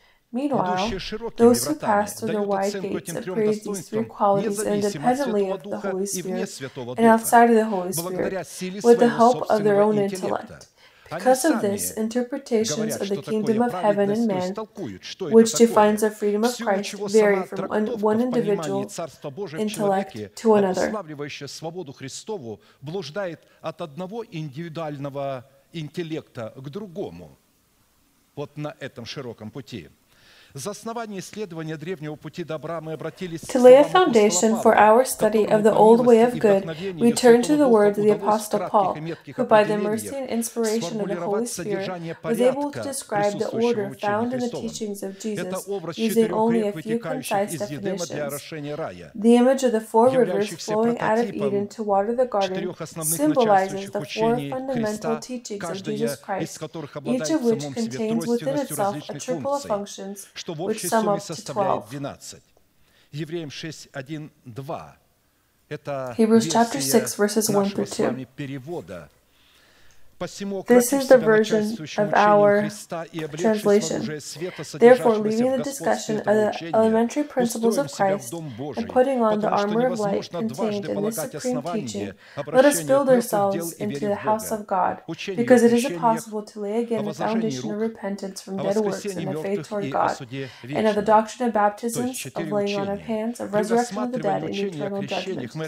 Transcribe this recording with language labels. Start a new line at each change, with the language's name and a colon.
English: Meanwhile, those who pass through the wide gates are created these three qualities independently of the Holy Spirit and outside of the Holy Spirit, with the help of their own intellect. Because of this, interpretations of the kingdom of heaven and man, which defines the freedom of Christ, vary from one individual intellect to another.
Russian: Обуславливающая свободу Христову блуждает от одного индивидуального интеллекта к другому, вот на этом широком пути. За основание исследования древнего пути добра мы обратились...
English: To lay a foundation for our study of the old way of good, we turn to the word of the Apostle Paul, who by the mercy and inspiration of the Holy Spirit was able to describe the order found in the teachings of Jesus using only a few concise definitions. The image of the four rivers flowing out of Eden to water the garden symbolizes the four fundamental teachings of Jesus Christ, each of which contains within itself a triple of functions,
Russian: что в общей сумме составляет 12. Евреям 6:1-2. Это версия нашего перевода.
English: This is the version of our translation. Therefore, leaving the discussion of the elementary principles of Christ and putting on the armor of light contained in this supreme teaching, let us build ourselves into the house of God, because it is impossible to lay again the foundation of repentance from dead works and of faith toward God, and of the doctrine of baptisms, of laying on of hands, of resurrection of the dead, and eternal judgment.